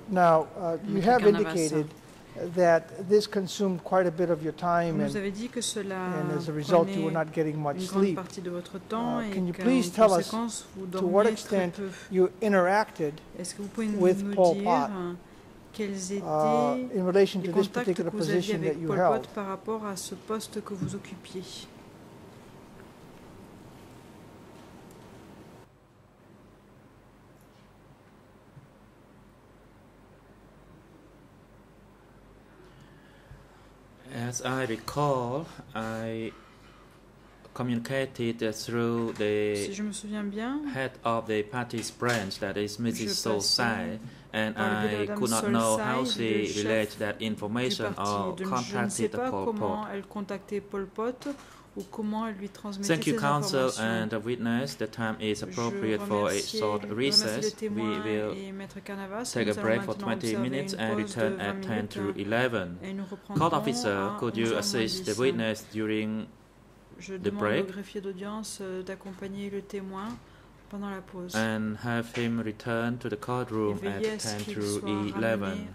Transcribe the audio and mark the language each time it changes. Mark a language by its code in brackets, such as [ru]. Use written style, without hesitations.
[en] Now, you have indicated that this consumed quite a bit of your time, and as a result, you were not getting much sleep. Can you please tell us to what extent you interacted with Pol Pot in relation to this particular position that you held? [fr] Par rapport à ce poste que vous occupiez. [en] As I recall, I communicated through the head of the party's branch, that is Mrs. So Sai, and I could not know how she relayed that information or contacted Pol Pot. [fr] Elle contactait Pol Pot ou comment elle lui transmettait ces informations. [en] Thank you, counsel and the witness. The time is appropriate for a short recess. We will take a break for 20 minutes and return at 10 to 11. Court officer, could you assist the witness during the break? [fr] Je demande au greffier d'audience d'accompagner le témoin pendant la pause. [en] And have him return to the courtroom at 10 to 11.